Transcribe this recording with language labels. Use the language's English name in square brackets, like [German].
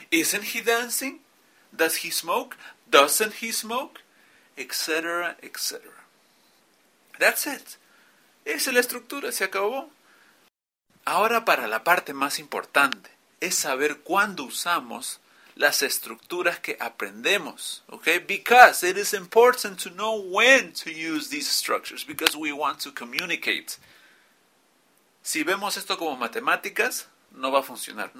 [English] Isn't he dancing? Does he smoke? Doesn't he smoke? Etc., etc. That's it. [Spanish] Esa es la estructura, se acabó. Ahora para la parte más importante, es saber cuándo usamos las estructuras que aprendemos. [English] Okay? Because it is important to know when to use these structures, because we want to communicate. [Spanish] Si vemos esto como matemáticas, no va a funcionar.